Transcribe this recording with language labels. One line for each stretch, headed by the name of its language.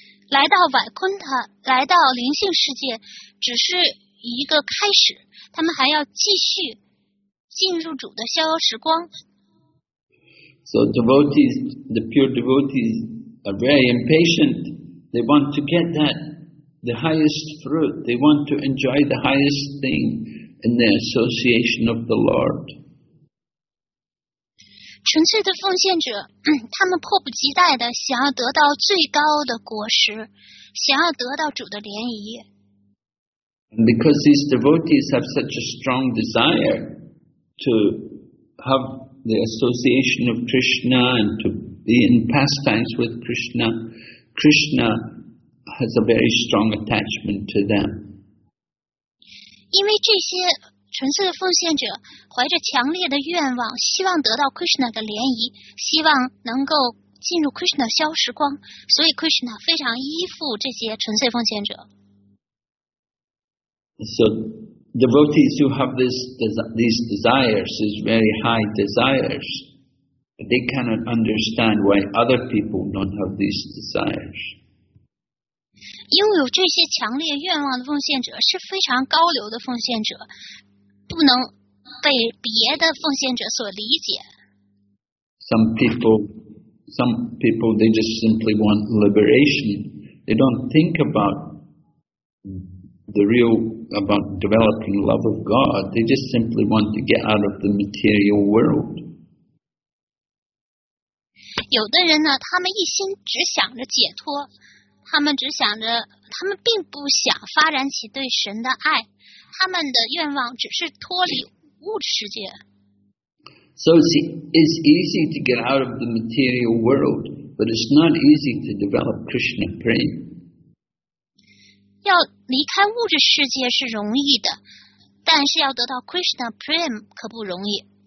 Chinese: 来到 Vaikuntha, 来到灵性世界只是一个开始，他们还要继续进入主的逍遥时光。
English: So devotees, the pure devotees are very impatient. They want to get that. The highest fruit. They want to enjoy the highest thing in the association of the Lord.
Chinese: 纯粹的奉献者，他们迫不及待地想要得到最高的果实，想要得到主的怜悯。
English: And because these devotees have such a strong desire to have the association of Krishna and to be in pastimes with Krishna, Krishna. Has a very strong attachment to them.
Chinese: 因为这些纯粹的奉献者怀着强烈的愿望，希望得到 Krishna 的怜悯，希望能够进入 Krishna 消时光，所以 Krishna 非常依附这些纯粹奉献者。
English: So devotees who have these desires, these very high desires, they cannot understand why other people don't have these desires.
Chinese: 拥有这些强烈愿望的奉献者是非常高流的奉献者，不能被别的奉献者所理解。
English: Some people, they just simply want liberation. They don't think about the real, about developing love of God. They just simply want to get out of the material world.
Chinese: 有的人呢，他们一心只想着解脱，他们只想着，他们并不想发展起对神的爱，他们的愿望只是脱离物质世界。
English: So it's easy to get out of the material world, but it's not easy to develop Krishna prema.
Chinese: 要离开物质世界是容易的，但是要得到 Krishna prema 可不容易。